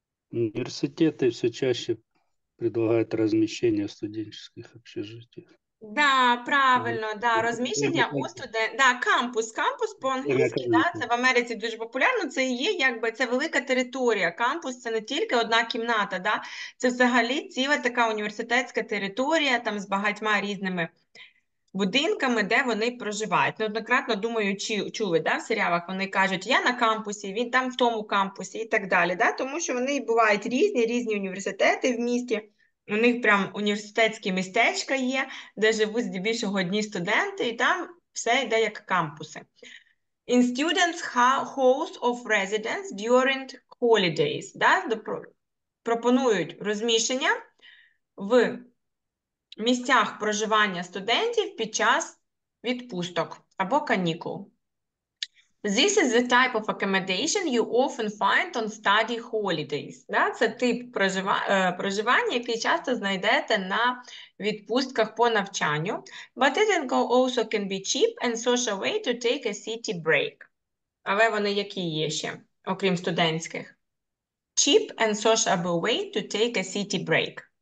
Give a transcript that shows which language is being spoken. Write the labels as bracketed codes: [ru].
[ru] Університети все чаще предлагают размещение в студенческих общежитиях. Да, [uk] Не правильно, да, розміщення у на студент, да, кампус, кампус по-англійськи, да, це кампусі. в Америці дуже популярно, це є якби, це велика територія, кампус це не тільки одна кімната, да, це взагалі ціла така університетська територія, там з багатьма різними будинками, де вони проживають. Неоднократно, думаю, чули, да, в серіалах вони кажуть, я на кампусі, він там в тому кампусі і так далі, да, тому що вони бувають різні, різні університети в місті. У них прям університетські містечка є, де живуть здебільшого одні студенти, і там все йде як кампуси. [en] In students' house of residence during holidays. Да? [uk] Пропонують розміщення в місцях проживання студентів під час відпусток або канікул. [en] This is the type of accommodation you often find on study holidays. [ru] Да? [uk] Це тип проживання, який часто знайдете на відпустках по навчанню. [en] But it also can be cheap and social way to take a city break. [uk] Але вони які є ще, окрім студентських? [en] Cheap and sociable way to take a city break.